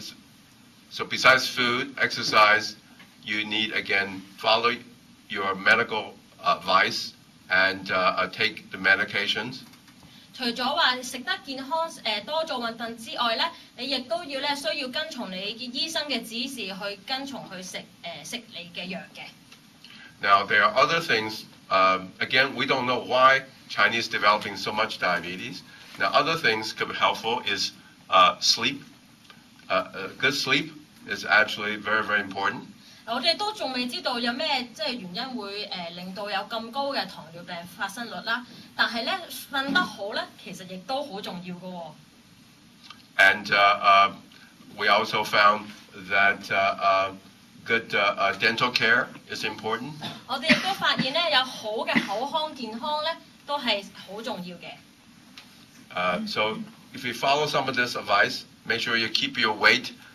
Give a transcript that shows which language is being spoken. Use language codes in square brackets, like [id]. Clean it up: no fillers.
[en] And so besides food, exercise, you need, again, follow your medical advice and take the medications. [yue] 除了說吃得健康，多做運動之外，你也需要跟從你醫生的指示去跟從去吃你的藥的。 [en] Now, there are other things. Again, we don't know why Chinese developing so much diabetes. Now, other things could be helpful is sleep. Good sleep is actually very, very important. [yue] 我哋都仲未知道有咩即係原因會令到有咁高嘅糖尿病發生率啦。但係咧，瞓得好咧，其實亦都好重要嘅喎。 [en] And we also found that good dental care is important. [yue] 我哋亦都發現咧，有好嘅口腔健康咧，都係好重要嘅。 [en] So if you follow some of this advice, make sure you keep your weight.